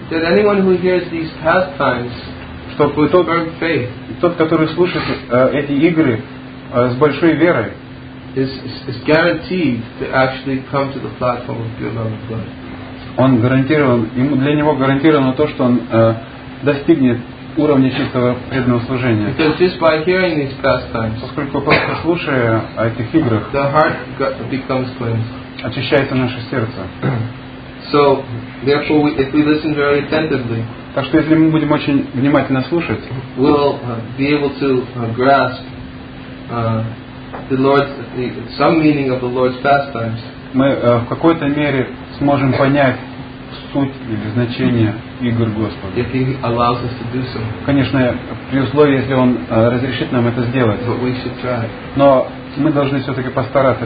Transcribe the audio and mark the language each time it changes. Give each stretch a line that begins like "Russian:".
English: that anyone who hears these pastimes,
Russian: Что вы только тот, который слушает эти игры с большой верой,
English: is guaranteed to actually come to the platform of Pure Love and Blood.
Russian: Он гарантирован, ему, для него гарантировано то, что он достигнет уровня чистого преданного служения.
English: Because just by hearing these pastimes,
Russian: поскольку просто слушая о этих играх,
English: the heart becomes cleansed.
Russian: Очищается наше сердце.
English: So, therefore, if we listen very attentively,
Russian: так что если мы будем очень внимательно слушать,
English: we'll be able to grasp the Lord's some meaning of the Lord's pastimes.
Russian: Мы в какой-то мере сможем понять суть или значение игр Господа.
English: If he allows us to do so.
Russian: Конечно, при условии, если Он разрешит нам это сделать.
English: But we should try.
Russian: Но мы должны все-таки постараться.